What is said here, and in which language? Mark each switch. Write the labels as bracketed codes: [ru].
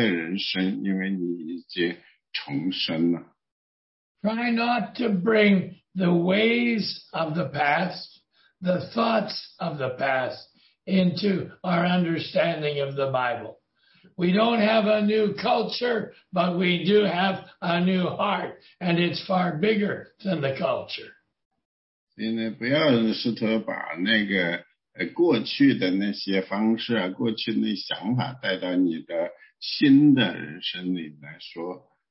[zh] 所以呢，真理呢，其实是非常简单的。当你呢相信了主耶稣基督以后呢，你所有的旧的东西都已经去了，你所有的东西都完全变成了新的，你有一个新的人生，因为你已经 [en] Try not to bring the ways of the past, the thoughts of the past, into our understanding of the Bible. We don't have a new culture, but we do have a new heart, and it's far bigger than the culture. [zh] 所以呢，不要试图把那个过去的那些方式啊，过去那些想法带到你的新的人生里来说。